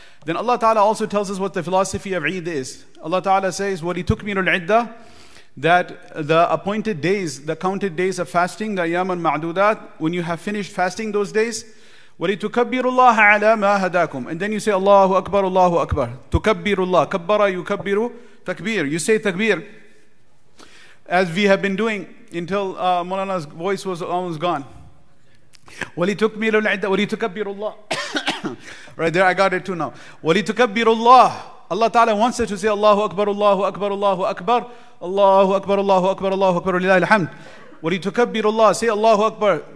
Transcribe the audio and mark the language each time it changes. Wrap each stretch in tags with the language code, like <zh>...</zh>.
<en>Then Allah Ta'ala also tells us what the philosophy of Eid is. Allah Ta'ala says, wa litukmilu al-iddah, that the appointed days, the counted days of fasting, the ayyam al-ma'dudat, when you have finished fasting those days,</en> <ar>وَلِتُكَبِّرُ اللَّهَ عَلَى مَا هَدَاكُمْ</ar> <en>And then you say, Allahu Akbar, Allahu Akbar.</en> <ar>تُكَبِّرُ اللَّهَ كَبَّرَ يُكَبِّرُ تَكْبِيرُ</ar> <en>You say takbir. As we have been doing until Mawlana's voice was almost gone.</en> <ar>وَلِتُكْمِلُ الْعِدَّةِ وَلِتُكَبِّرُ اللَّهَ</ar> <en>Right there, I got it too now.</en> <ar>وَلِتُكَبِّرُ اللَّهَ</ar> <en>Allah Ta'ala wants us to say, Allahu Akbar, Allahu Akbar, Allahu Akbar.</en> <ar>Allahu Akbar, Allahu Akbar, Allahu Akbar, لِلَّهِ الْحَمْدِ وَلِتُكَبِّرُ اللَّهِ</ar> <en>Say</en> <ar>Allahu Akbar.</ar>